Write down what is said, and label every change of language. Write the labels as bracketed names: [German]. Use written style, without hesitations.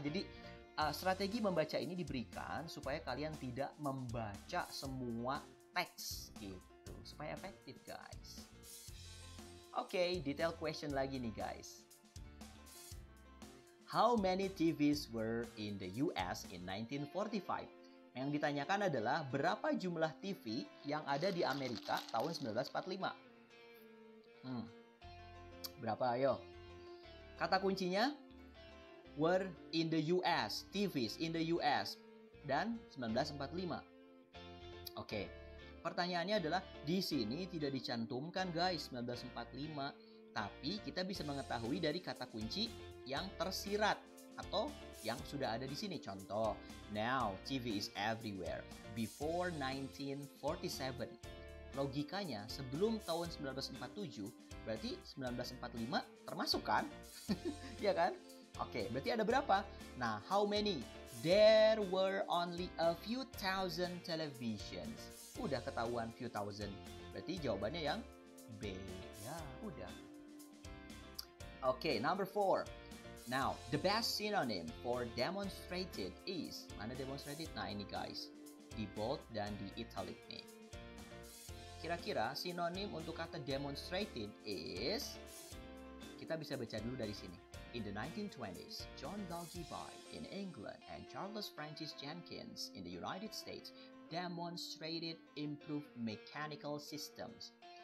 [Indonesian] Jadi strategi membaca ini diberikan supaya kalian tidak membaca semua teks gitu, supaya efektif, guys. Okay, detail question lagi nih, guys. [English] How many TVs were in the US in 1945? [Indonesian] Yang ditanyakan adalah berapa jumlah TV yang ada di Amerika tahun 1945? Berapa, ayo? Kata kuncinya [English] were in the US, TVs in the US [Indonesian] dan 1945. Oke. Pertanyaannya adalah di sini tidak dicantumkan, guys, 1945, tapi kita bisa mengetahui dari kata kunci yang tersirat atau yang sudah ada di sini. [English] Contoh, now TV is everywhere before 1947. [Indonesian] Logikanya sebelum tahun 1947 berarti 1945 termasuk kan? Ya kan? Oke, berarti ada berapa? [English] Nah, how many? There were only a few thousand televisions. [Indonesian] Udah ketahuan [English] few thousand. [Indonesian] Berarti jawabannya yang B. Ya, udah. Oke, number 4. [English] Now, the best synonym for demonstrated is... [Indonesian] Mana demonstrated? Nah, ini guys. Di bold dan di italic nih. Kira-kira sinonim untuk kata demonstrated is... Kita bisa baca dulu dari sini. [English] In the 1920s, John Dalgibay in England and Charles Francis Jenkins in the United States demonstrated improved mechanical systems.